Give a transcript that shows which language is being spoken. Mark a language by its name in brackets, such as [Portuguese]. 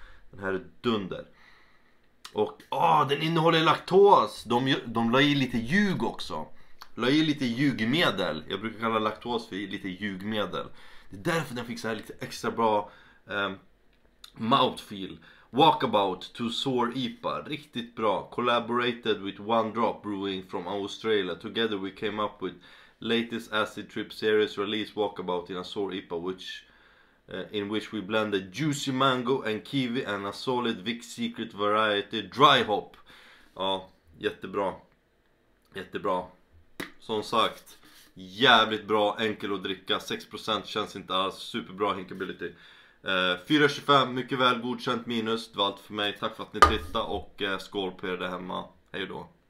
[Swedish] Den här är dunder. Och, den innehåller laktos. De la i lite ljug också. La i lite ljugmedel. Jag brukar kalla laktos för lite ljugmedel. Det är därför den fick så här lite extra bra mouthfeel. Walkabout to Sour IPA. Riktigt bra. [English] Collaborated with One Drop Brewing from Australia. Together we came up with latest acid trip series release Walkabout in a Sour IPA, which in which we blended juicy mango and kiwi and a solid Vic Secret variety dry hop. [Swedish] Ja, jättebra. Jättebra. Som sagt, jävligt bra, enkel att dricka. 6% känns inte alls superbra hinkability. 4,25, mycket väl godkänt minus. Det var allt för mig. Tack för att ni tittade och skål på er där hemma. Hej då.